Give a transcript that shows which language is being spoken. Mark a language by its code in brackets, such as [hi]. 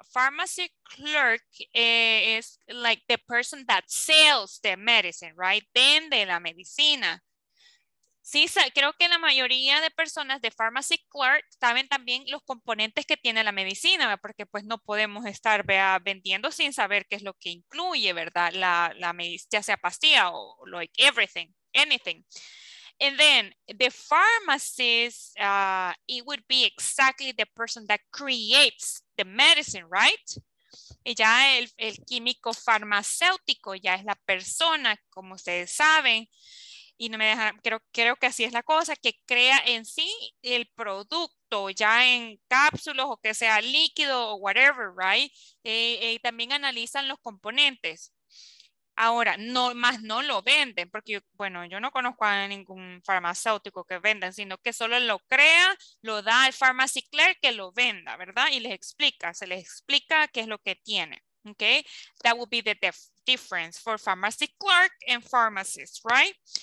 [en] Pharmacy clerk is like the person that sells the medicine, right? [es] Vende la medicina. Sí, creo que la mayoría de personas de pharmacy clerk saben también los componentes que tiene la medicina, porque pues no podemos estar, vea, vendiendo sin saber qué es lo que incluye, ¿verdad? La medicina, ya sea pastilla o [en] like everything, anything. And then the pharmacist, it would be exactly the person that creates the medicine, right? [es] Y ya el químico farmacéutico ya es la persona, como ustedes saben, y no me dejan, creo que así es la cosa, que crea en sí el producto, ya en cápsulas o que sea líquido o [en] whatever, right? [es] Y también analizan los componentes. Ahora, no, más no lo venden, porque bueno, yo no conozco a ningún farmacéutico que vendan, sino que solo lo crea, lo da al pharmacy clerk que lo venda, ¿verdad? Y les explica, se les explica qué es lo que tiene, ¿ok? [en] That would be the difference for pharmacy clerk and pharmacist, right?